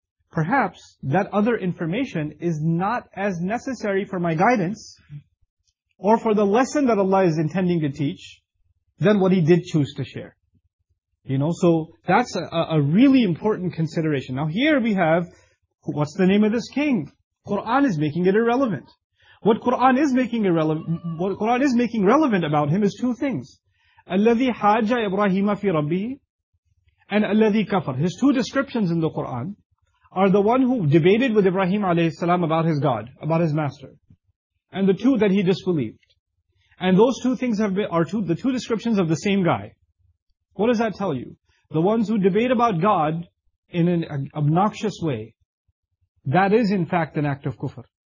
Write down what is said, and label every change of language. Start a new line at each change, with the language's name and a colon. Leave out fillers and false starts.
English: Perhaps that other information is not as necessary for my guidance or for the lesson that Allah is intending to teach than what He did choose to share. You know, so that's a really important consideration. Now here we have, what's the name of this king? Quran is making it irrelevant. What Quran is making relevant about him is two things.
Arabic: الَّذِي حَاجَّ إِبْرَاهِيمَ فِي رَبِّهِ and الَّذِي كَفَرْ.
English: His two descriptions in the Quran are the one who debated with Ibrahim alayhi salam about his God, about his master. And the two that he disbelieved. And those two things are the two descriptions of the same guy. What does that tell you? The ones who debate about God in an obnoxious way, that is in fact an act of kufr.